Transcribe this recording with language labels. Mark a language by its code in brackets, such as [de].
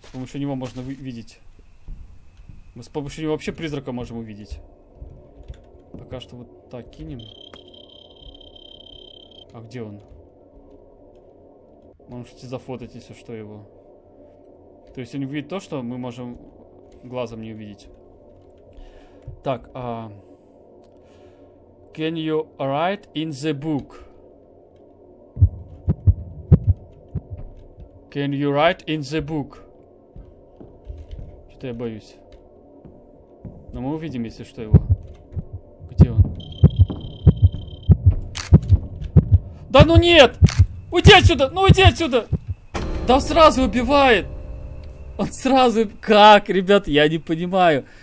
[ru] С помощью него можно увидеть. Мы с помощью него вообще призрака можем увидеть. Пока что вот так кинем. А где он? Можете зафотать, если что, его. То есть он видит то, что мы можем глазом не увидеть. Так, [en] can you write in the book? Can you write in the book? [ru] Что-то я боюсь. Но мы увидим, если что, его. Где он? Да ну нет! Уйди отсюда! Ну уйди отсюда! Да он сразу убивает! Он сразу... Как, ребят? Я не понимаю.